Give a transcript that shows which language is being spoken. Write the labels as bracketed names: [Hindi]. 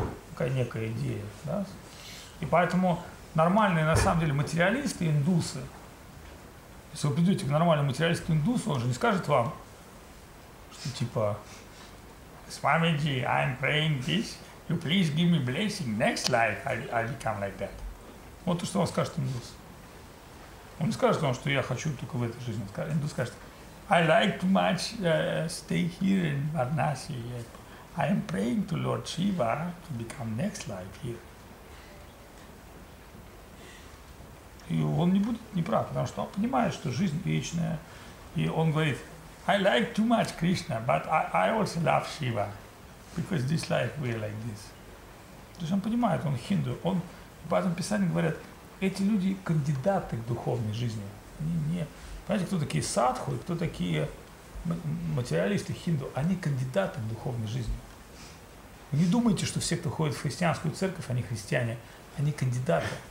[Russian] Такая некая идея, да? И поэтому нормальные, на самом деле, материалисты, индусы, если вы придете к нормальному материалисту индусу, он же не скажет вам, что типа [English] «Swamiji, I'm praying this, you please give me blessing, next life I'll become like that». [Russian] Вот то, что вам скажет индус. Он не скажет вам, что я хочу только в этой жизни. Индус скажет [English] «I like too much stay here in Varanasi, I'm praying to Lord Shiva to become next life here». [Russian] И он не будет неправ, потому что он понимает, что жизнь вечная. И он говорит, [English] I like too much Krishna, but I also love Shiva, because this life we are like this. [Russian] То есть он понимает, он хинду. Он, в этом писании говорят, эти люди кандидаты к духовной жизни. Они не, понимаете, кто такие садху, кто такие материалисты хинду. Они кандидаты к духовной жизни. Вы не думайте, что все, кто ходит в христианскую церковь, они христиане. Они кандидаты.